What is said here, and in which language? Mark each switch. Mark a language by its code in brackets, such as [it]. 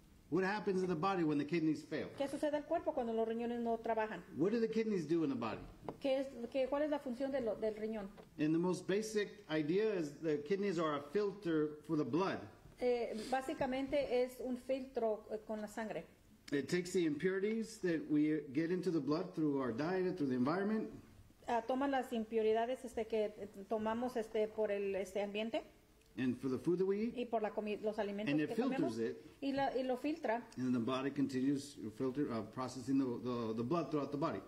[en] What happens in the body when the kidneys fail? [es] ¿Qué sucede al cuerpo cuando los riñones no trabajan? [en] What do the kidneys do in the body? [es] ¿Cuál es la función del riñón? [en] And the most basic idea is the kidneys are a filter for the blood. [es] Básicamente es un filtro con la sangre. [en] It takes the impurities that we get into the blood through our diet, through the environment. [es] Toma las impuridades que tomamos por el ambiente. [en] And for the food that we eat. [es] Y por los alimentos [en] and [es] que [en] it filters [es] comemos, [en] it. [es] Y lo filtra. [en] And the body continues processing the blood throughout the body.